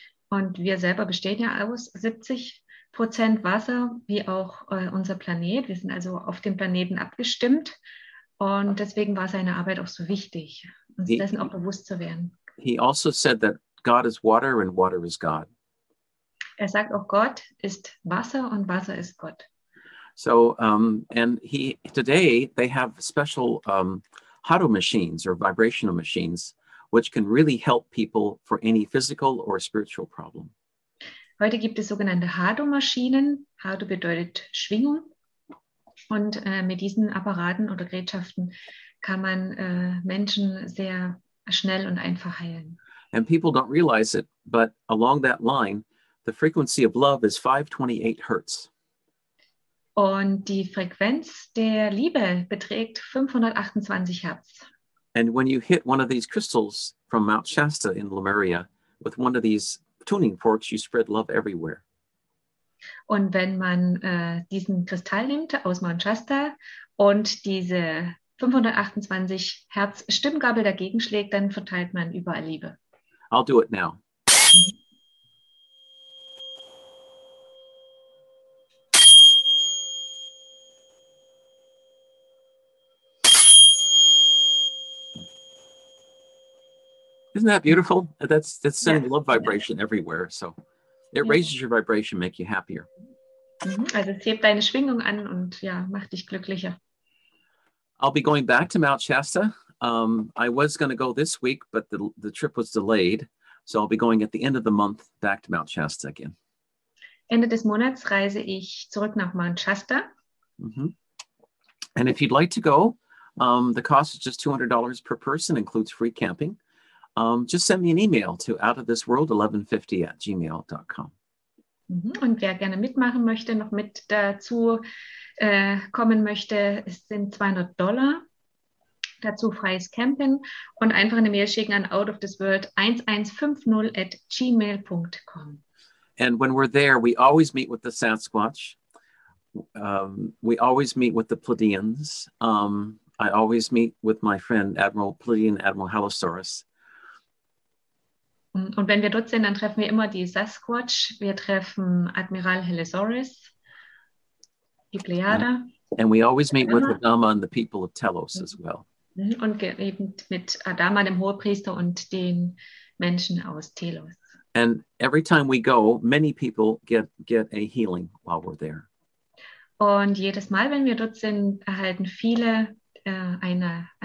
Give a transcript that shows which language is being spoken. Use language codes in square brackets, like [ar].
[de] Und wir selber bestehen ja aus 70% Wasser, wie auch unser Planet. Wir sind also auf dem Planeten abgestimmt. Und deswegen war seine Arbeit auch so wichtig, uns dessen auch bewusst zu werden. [en] He also said that God is water and water is God. [de] Er sagt auch, Gott ist Wasser und Wasser ist Gott. [en] So, and he, today they have special Hado machines or vibrational machines, which can really help people for any physical or spiritual problem. [de] Heute gibt es sogenannte Hado-Maschinen. Hado bedeutet Schwingung. Und mit diesen Apparaten oder Gerätschaften kann man Menschen sehr schnell und einfach heilen. [en] And people don't realize it, but along that line, the frequency of love is 528 Hertz. [de] Und die Frequenz der Liebe beträgt 528 Hertz. [en] And when you hit one of these crystals from Mount Shasta in Lemuria with one of these tuning forks, you spread love everywhere. [de] Und wenn man diesen Kristall nimmt aus Mount Shasta und diese 528 Hertz Stimmgabel dagegen schlägt, dann verteilt man überall Liebe. [en] I'll do it now. Isn't that beautiful? That's sending love vibration everywhere, so. It raises your vibration, make you happier. [de] Also es hebt deine Schwingung an und ja, macht dich glücklicher. [en] I'll be going back to Mount Shasta. I was going to go this week, but the trip was delayed. So I'll be going at the end of the month back to Mount Shasta again. [de] Ende des Monats reise ich zurück nach Mount Shasta. [en] And if you'd like to go, the cost is just $200 per person, includes free camping. Just send me an email to outofthisworld1150@gmail.com. [de] Und wer gerne mitmachen möchte, noch mit dazu kommen möchte, es sind $200. Dazu freies Campen und einfach eine Mail schicken an outofthisworld1150@gmail.com. [en] And when we're there, we always meet with the Sasquatch. We always meet with the Pleiadians. I always meet with my friend Admiral Pleiadian, Admiral Halosaurus. [de] Und wenn wir dort sind, dann treffen wir immer die Sasquatch, wir treffen Admiral Halosaurus, die Pleiade. [en] And we always meet with Adama and the people of Telos as well. [de] Und eben mit Adama, dem Hohepriester, und den Menschen aus Telos. [en] And every time we go, many people get a healing while we're there. [de] Und jedes Mal, wenn wir dort sind, erhalten viele Heilung.